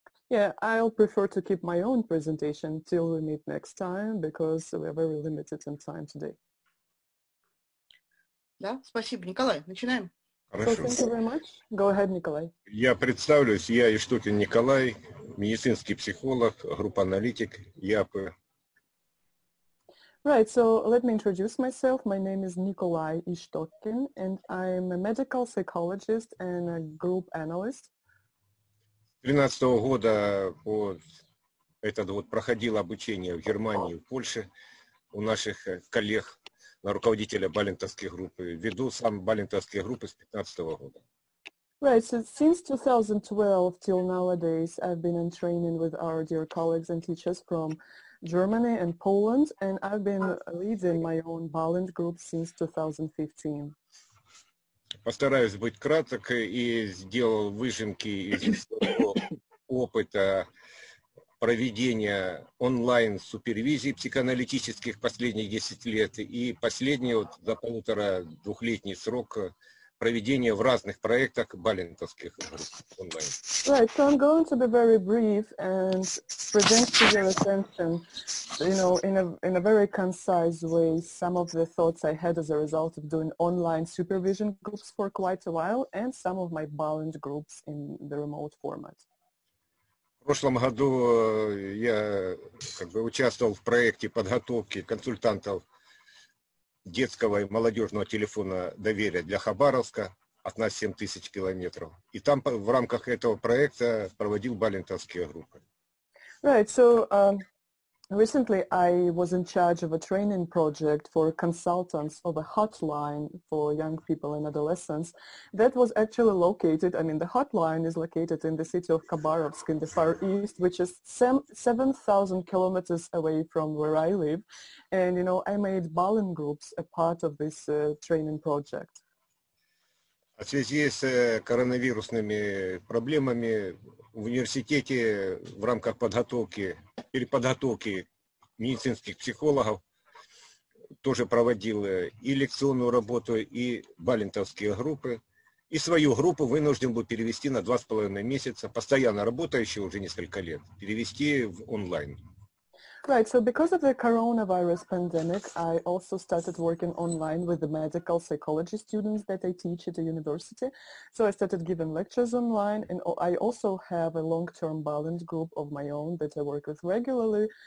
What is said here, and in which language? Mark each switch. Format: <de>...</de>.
<en>Yeah, I'll prefer to keep my own presentation till we meet next time, because we are very limited in time today.</en> <ru>Да, спасибо, Николай. Начинаем. Хорошо.</ru> <en>So, thank you very much. Go ahead, Николай.</en> <ru>Я представлюсь. Я Иштукин Николай, медицинский психолог, групп-аналитик ЯП.</ru> <en>Right, so let me introduce myself. My name is Nikolai Ishtokin, and I'm a medical psychologist and a group analyst.</en> <ru>13-го года вот этот вот проходил обучение в Германии, в Польше у наших коллег, на руководителя Балентовской группы. Веду сам Балентовские группы с 15-го года.</ru> <en>Right, so since 2012 till nowadays, I've been in training with our dear colleagues and teachers from Germany and Poland, and I've been leading my own Balint group since 2015.</en> <ru>Постараюсь быть краток и сделал выжимки из опыта проведения онлайн супервизии психоаналитических последние 10 лет и последний вот за полутора-двухлетний срок проведения в разных проектах балентовских онлайн.</ru> <en>Right, so I'm going to be very brief and present to your attention, you know, in a very concise way some of the thoughts I had as a result of doing online supervision groups for quite a while and some of my balent groups in the remote format.</en> <ru>В прошлом году я как бы участвовал в проекте подготовки консультантов детского и молодежного телефона доверия для Хабаровска от нас 7 тысяч километров. И там в рамках этого проекта проводил балентовские группы.</ru> <en>Right, so recently I was in charge of a training project for consultants of a hotline for young people and adolescents that was actually located, I mean, the hotline is located in the city of Khabarovsk in the Far East, which is 7,000 kilometers away from where I live. And, you know, I made Balin groups a part of this training project.</en> <ru>В связи с коронавирусными проблемами в университете в рамках подготовки или подготовки медицинских психологов тоже проводил и лекционную работу, и балентовские группы. И свою группу вынужден был перевести на 2.5 месяца, постоянно работающую уже несколько лет, перевести в онлайн.</ru> <en>Right, so because of the coronavirus pandemic, I also started working online with the medical psychology students that I teach at the university. So I started giving lectures online, and I also have a long-term balance group of my own that I work with regularly.</en>